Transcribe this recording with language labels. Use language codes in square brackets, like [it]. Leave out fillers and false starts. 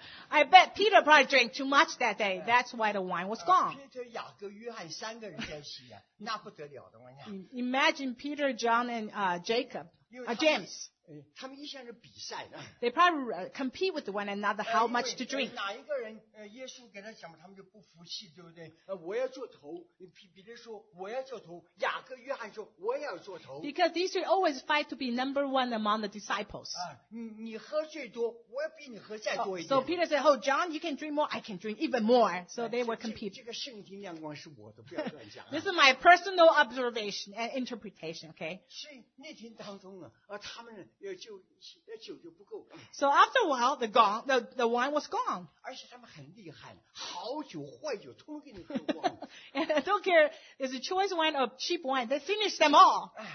[en] I bet Peter probably drank too much that day. That's why the wine was gone. [zh] Peter, 雅各, 约翰三个人在一起, 那不得了的, [en] Imagine Peter, John, and Jacob, [zh] 因为他们, [en] James. [zh] 他们一向是比赛的, [en] they probably compete with one another how much to drink. [zh] 哪一个人, 耶稣给他讲, 他们就不服气, 对不对? 我要做头, 比如说, 我要做头, 雅各约翰说, 我要做头, [en] because these three always fight to be number one among the disciples. [zh] 你喝最多, 我要比你喝再多一点。 [en] So Peter said, oh, John, you can drink more, I can drink even more. So they will compete. [zh] 这个圣经亮光是我的, [en] this is my personal observation and interpretation, okay? [zh] 所以那天当中呢, 他们就不够, [en] so after a while, the wine was gone. [zh] 而且他们很厉害, 好酒坏酒, [en] and I don't care, is a choice wine or cheap wine, they finished them all.